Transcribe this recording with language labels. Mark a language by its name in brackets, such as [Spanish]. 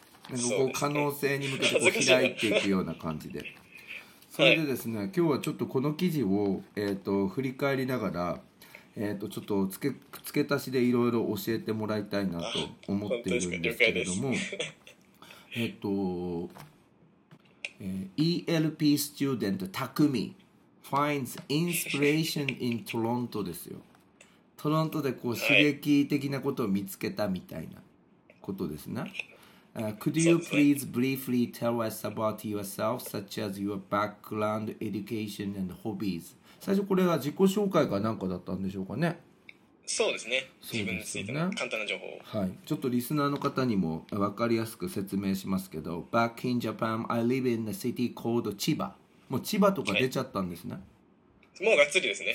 [Japanese] なんかこう可能性に向けてこう開いていくような感じで、それでですね、今日はちょっとこの記事を、振り返りながら、ちょっと付け足しでいろいろ教えてもらいたいなと思っているんですけれども、 [English] ELP student Takumi finds inspiration in Toronto [Japanese] ですよ。トロントでこう刺激的なことを見つけたみたいなことですね。 [English] Could you please briefly tell us about yourself, such as your background, education, and hobbies? [Japanese] 最初これは自己紹介か何かだったんでしょうかね。そうですね。自分についての簡単な情報を、ね、はい、ちょっとリスナーの方にも分かりやすく説明しますけど、 [English] Back in Japan, I live in a city called [Japanese] 千葉。もう千葉とか出ちゃったんですね、はい、もうがっつりですね。